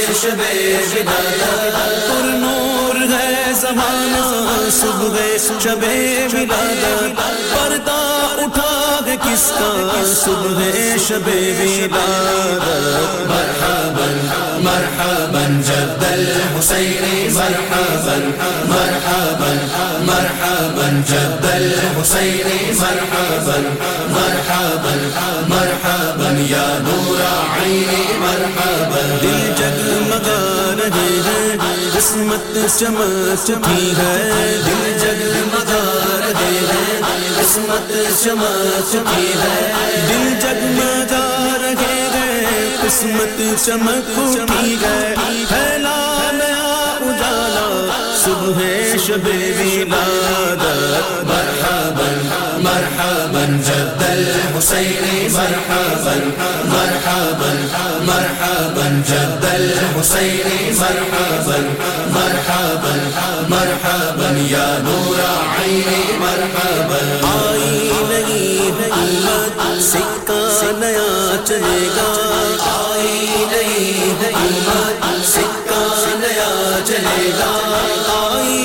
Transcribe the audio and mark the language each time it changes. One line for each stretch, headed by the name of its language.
Urdu: پر نور ہے زمانہ صبح شب ولادت پردہ اٹھا گے کس کا صبح شب ولادت
Arabic: مرحبا مرحبا جد الحسین مرحبا مرحبا مرحبا جد الحسین مرحبا مرحبا مرحبا يا نور عيني مرحبا
Urdu: دل جگمگا رہے ہیں قسمت چمک چکی ہے دل جگمگا رہے ہیں قسمت چمک چکی ہے دل جگمگا رہے ہیں قسمت چمک اٹھی ہے پھیلا نیا اجالا صبح شب ولادت
Arabic: مرحبا مرحبا جد الحسین مرحبا مرحبا مرحبا جد الحسین مرحبا مرحبا مرحبا يا نور عيني مرحبا
Urdu: آئی نہیں ہے امت سکہ نیا چلے گا آئی نہیں ہے امت سکہ نیا چلے گا